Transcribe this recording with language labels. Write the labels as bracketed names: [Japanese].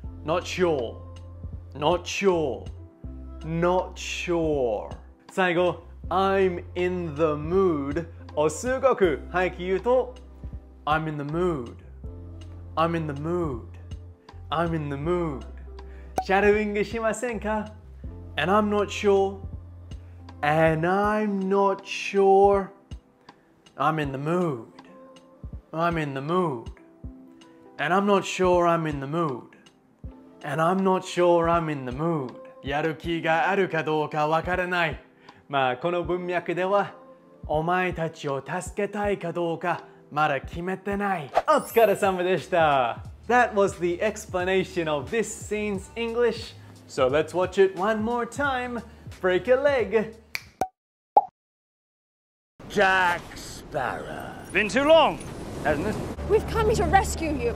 [English] Not sure Not sure Not sure 最後 I'm in the mood をすごく早く言うと I'm in the mood I'm in the mood I'm in the mood [Japanese] シャドウィングしませんか？ [English] And I'm not sure. And I'm not sure. I'm in the mood. I'm in the mood. And I'm not sure I'm in the mood. And I'm not sure I'm in the mood. [Japanese] やる気があるかどうかわからない。まあこの文脈では、お前たちを助けたいかどうかまだ決めてない。お疲れ様でした。 [English] That was the explanation of this scene's English. So let's watch it one more time. Break a leg. Jack Sparrow. Been too long, hasn't it? We've come here to rescue you.